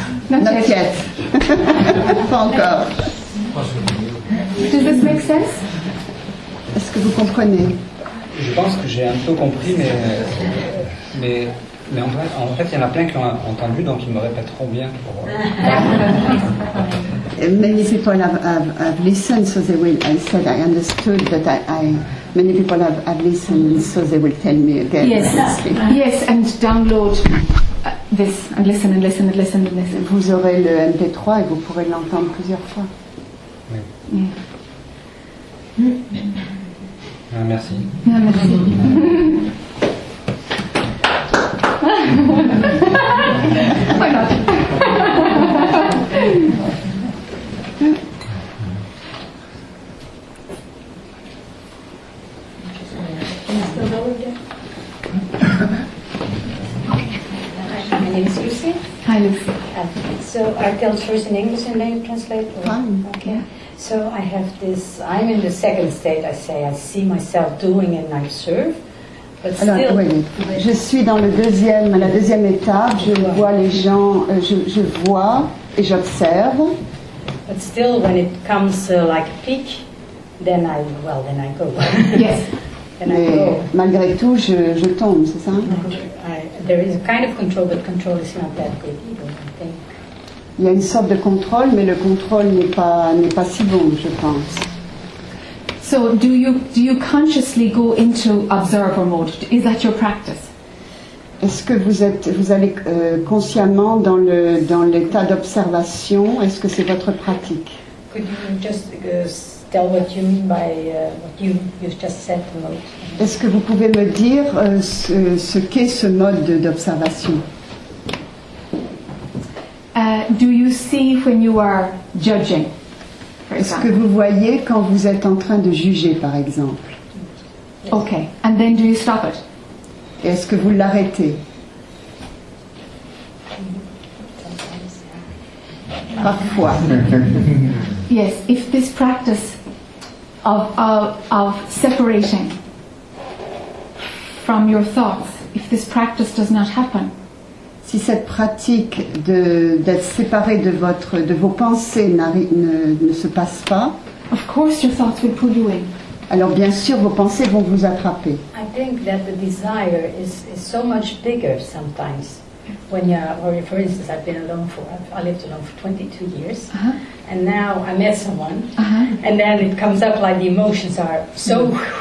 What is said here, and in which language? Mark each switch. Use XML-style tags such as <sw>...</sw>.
<en>Not yet.</en> <fr>Pas encore.</fr> <en>Does this make sense?</en> <fr>Est-ce que vous comprenez? Je pense que j'ai un peu compris, mais en fait, il y en a plein qui ont entendu, donc ils me répéteront bien.</fr> <en>Many people have listened, so they will. I said I understood, but I many people have listened, so they will tell me again. Yes, yes, and download this and listen and listen and listen and listen.</en> <fr>Vous aurez le MP3 et vous pourrez l'entendre plusieurs fois. Oui. Ah, merci. Ah, merci.</fr> <en>Hi, Lucy. So I tell first in English and then you translate? Or? Fine. Okay. So I have this, I'm in the second state, I say, I see myself doing and I serve.</en> <fr>Alors,</fr> <en>still,</en> <fr>oui. Je suis dans la deuxième étape, je vois les gens, je vois et j'observe.</fr> <en>But still, when it comes like a peak, then I, well, then I go. Yes.</en> <fr>Mais malgré tout, je tombe, c'est ça?</fr> <en>There is a kind of control, but control is not that good either, I think.</en> <fr>Il y a une sorte de contrôle, mais le contrôle n'est pas si bon, je pense.</fr> <en>So do you consciously go into observer mode? Is that your practice?</en> <fr>Est-ce que vous allez consciemment dans l'état d'observation? Est-ce que c'est votre pratique?</fr> <en>Could you just tell what you mean by what you just said mode?</en> <fr>Est-ce que vous pouvez me dire ce qu'est ce mode d'observation?</fr> <en>Do you see when you are judging?</en> <fr>Est-ce que vous voyez quand vous êtes en train de juger, par exemple?</fr> <en>Yes. Okay. And then do you stop it?</en> <fr>Et est-ce que vous l'arrêtez? Parfois.</fr> <en>Yes, if this practice of separating from your thoughts, if this practice does not happen.</en> <fr>Si cette pratique d'être séparé de vos pensées ne se passe pas.</fr> <en>Of course your thoughts will pull you in.</en> <fr>Alors bien sûr vos pensées vont vous attraper.</fr> <en>I think that the desire is so much bigger sometimes. When you are, for instance, I lived alone for 22 years, uh-huh. And now I met someone, uh-huh. And then it comes up like the emotions are so.</en>